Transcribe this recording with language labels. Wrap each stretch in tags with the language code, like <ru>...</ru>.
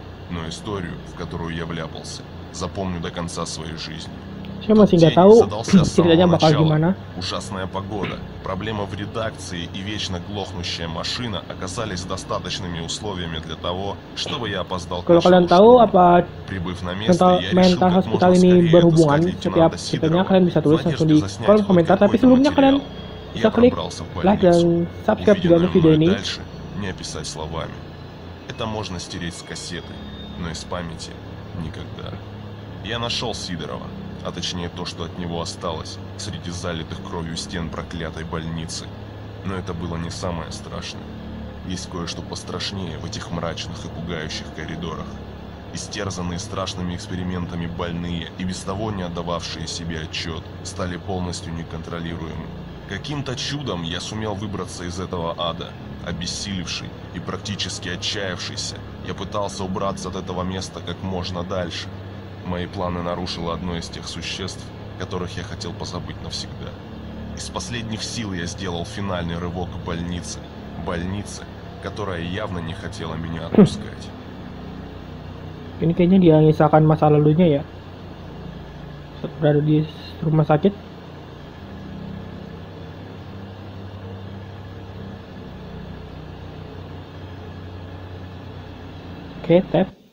<ru>Но историю, в которую я вляпался, запомню до конца своей жизни.</ru> <id>Saya masih nggak tahu ceritanya bakal gimana.</id> <ru>Ужасная погода, проблема в редакции и вечно глохнущая машина оказались достаточными условиями для того, чтобы я опоздал.</ru> <id>Kalau kalian тау apa Mental Hospital ini berhubungan, setiap ceritanya kalian bisa tulis langsung di kolom komentar. Tapi sebelumnya kalian bisa klik like dan subscribe juga untuk video ini.</id> <ru>Не описать словами. Это можно стереть с кассеты, но из памяти никогда. Я нашел Сидорова, а точнее то, что от него осталось, среди залитых кровью стен проклятой больницы. Но это было не самое страшное. Есть кое-что пострашнее в этих мрачных и пугающих коридорах. Истерзанные страшными экспериментами больные и без того не отдававшие себе отчет, стали полностью неконтролируемы. Каким-то чудом я сумел выбраться из этого ада. Обессилевший и практически отчаявшийся, я пытался убраться от этого места как можно дальше. Мои планы нарушило одно из тех существ, которых я хотел позабыть навсегда. Из последних сил я сделал финальный рывок к больнице. Больнице, которая явно не хотела меня отпускать.</ru> <id>Ini kayaknya dia ngisahkan masa lalunya ya. Berada di rumah sakit. Oke, tap.</id>